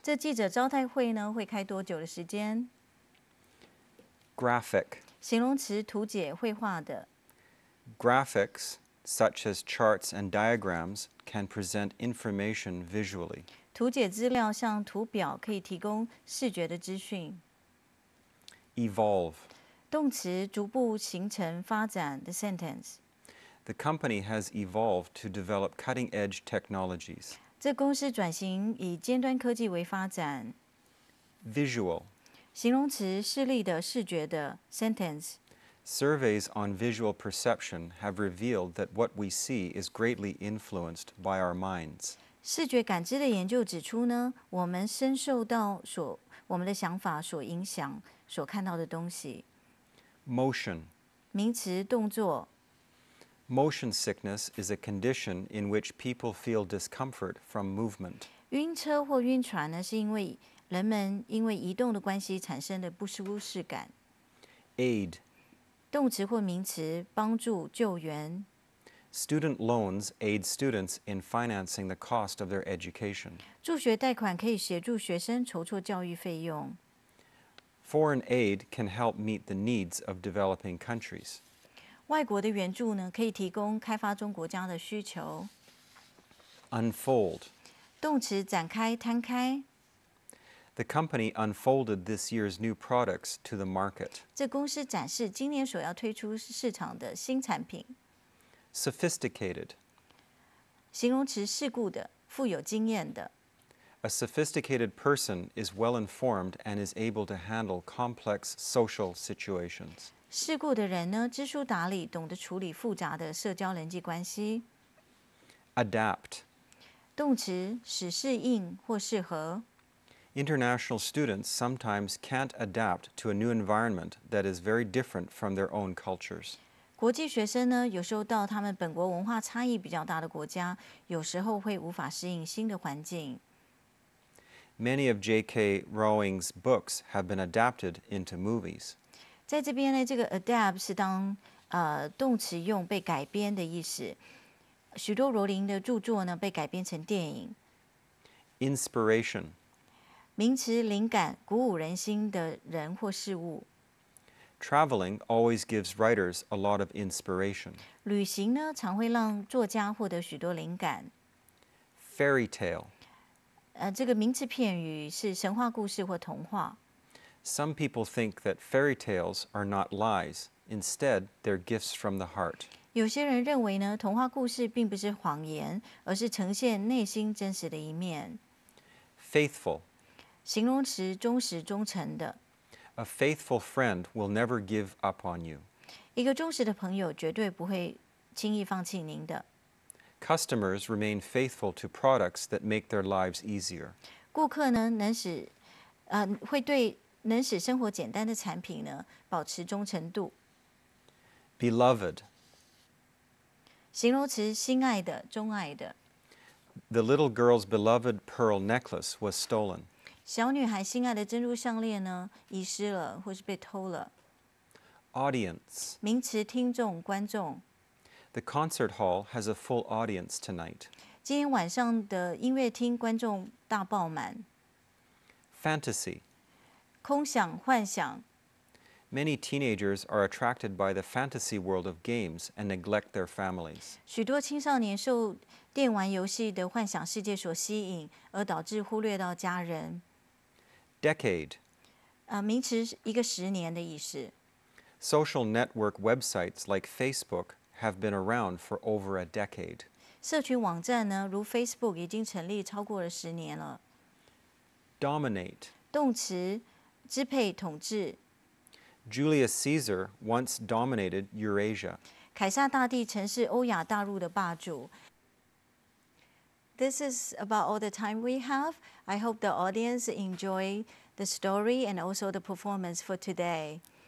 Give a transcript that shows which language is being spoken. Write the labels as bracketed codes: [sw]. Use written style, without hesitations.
[zh] 这记者招待会呢, 会开多久的时间? [en] Graphic. [zh] 形容词, 图解, 绘画的. [en] Graphics, such as charts and diagrams, can present information visually. [zh] 图解资料, 像图表, 可以提供视觉的资讯. [en] Evolve. [zh] 动词逐步形成发展, [en] the sentence. The company has evolved to develop cutting-edge technologies. [zh] 这公司转型以尖端科技为发展. [en] Visual. [zh] 形容词视力的视觉的 sentence。 [en] Surveys on visual perception have revealed that what we see is greatly influenced by our minds. [zh] 视觉感知的研究指出呢，我们深受到所我们的想法所影响，所看到的东西。 [en] Motion. [zh] 名词，动作。 [en] Motion sickness is a condition in which people feel discomfort from movement. [zh] 晕车或晕船呢，是因为人们因为移动的关系产生的不舒适感。 [en] Aid. [zh] 动词或名词，帮助、救援。 [en] Student loans aid students in financing the cost of their education. [zh] 助学贷款可以协助学生筹措教育费用。 [en] Foreign aid can help meet the needs of developing countries. [zh] 外国的援助呢，可以提供开发中国家的需求。 [en] Unfold. [zh] 动词展开、摊开。 [en] The company unfolded this year's new products to the market. [zh] 这公司展示今年所要推出市场的新产品。 [en] Sophisticated. [zh] 形容词世故的，富有经验的。 [en] A sophisticated person is well informed and is able to handle complex social situations. [zh] 世故的人呢，知书达理，懂得处理复杂的社交人际关系。 [en] Adapt. [zh] 动词使适应或适合。 [en] International students sometimes can't adapt to a new environment that is very different from their own cultures. [zh] 国际学生呢，有时候到他们本国文化差异比较大的国家，有时候会无法适应新的环境。 [en] Many of J.K. Rowling's books have been adapted into movies. [zh] 在这边呢，这个 adapt 是当动词用，被改编的意思。许多罗琳的著作呢，被改编成电影。 [en] Inspiration. [zh] 名词灵感，鼓舞人心的人或事物。 [en] Traveling always gives writers a lot of inspiration. [zh] 旅行呢，常会让作家获得许多灵感。 [en] Fairy tale. [zh] 这个名词片语是神话故事或童话。 [en] Some people think that fairy tales are not lies. Instead, they're gifts from the heart. [zh] 有些人认为呢，童话故事并不是谎言，而是呈现内心真实的一面。 [en] Faithful. [zh] 形容词忠实忠诚的。 [en] A faithful friend will never give up on you. [zh] 一个忠实的朋友绝对不会轻易放弃您的。 [en] Customers remain faithful to products that make their lives easier. [zh] 顾客呢会对能使生活简单的产品呢保持忠诚度。 [en] Beloved. [zh] 形容词心爱的钟爱的。 [en] The little girl's beloved pearl necklace was stolen. [zh] 小女孩心爱的珍珠项链呢，遗失了或是被偷了。 [en] Audience， [zh] 名词，听众、观众。 [en] The concert hall has a full audience tonight。 [zh] 今天晚上的音乐厅观众大爆满。 [en] Fantasy， [zh] 空想、幻想。 [en] Many teenagers are attracted by the fantasy world of games and neglect their families. [zh] 许多青少年受电玩游戏的幻想世界所吸引，而导致忽略到家人。 [en] Decade. [zh] 名词一个十年的意思。 [en] Social network websites like Facebook have been around for over a decade. [zh] 社群网站呢，如 Facebook 已经成立超过了十年了。 [en] Dominate. [zh] 动词，支配、统治。 [en] Julius Caesar once dominated Eurasia. [zh] 凯撒大帝曾是欧亚大陆的霸主。 [en] This is about all the time we have. I hope the audience enjoy the story and also the performance for today.